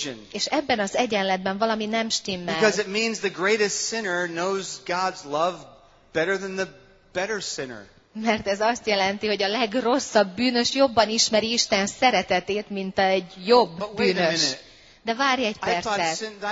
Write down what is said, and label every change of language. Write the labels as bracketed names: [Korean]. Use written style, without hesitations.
[Hungarian] És ebben az egyenletben valami nem stimmel. [English] Because it means the greatest sinner knows God's love better than the better sinner. [Hungarian] Mert ez azt jelenti, hogy a legrosszabb bűnös jobban ismeri Isten szeretetét, mint egy jobb bűnös. De várj egy percet.